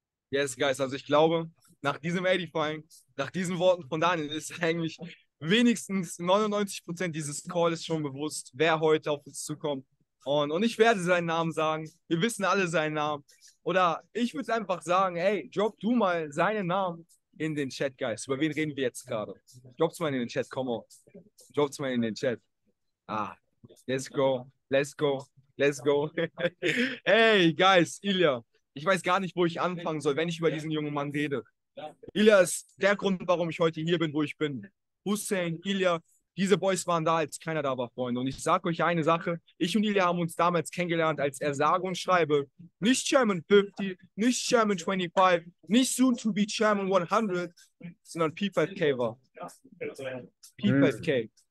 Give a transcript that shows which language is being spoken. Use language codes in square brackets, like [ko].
[de] Yes, Guys, also ich glaube, nach diesem Edifying, nach diesen Worten von Daniel, ist eigentlich wenigstens 99% dieses Calls schon bewusst, wer heute auf uns zukommt. Und ich werde seinen Namen sagen. Wir wissen alle seinen Namen. Oder ich würde einfach sagen, hey, drop du mal seinen Namen in den Chat, Guys. Über wen reden wir jetzt gerade? Drop's mal in den Chat, komm mal. Drop's mal in den Chat. [en] Ah, let's go, let's go, let's go. Hey, Guys, Ilya. [de] Ich weiß gar nicht, wo ich anfangen soll, wenn ich über diesen jungen Mann rede. Ilya ist der Grund, warum ich heute hier bin, wo ich bin. Hussein, Ilya, diese Boys waren da, als keiner da war, Freunde. Und ich sage euch eine Sache: Ich und Ilya haben uns damals kennengelernt, als er sage und schreibe, nicht Chairman 50, nicht Chairman 25, nicht [en] soon to be [de] Chairman 100, sondern P5K war. P5K.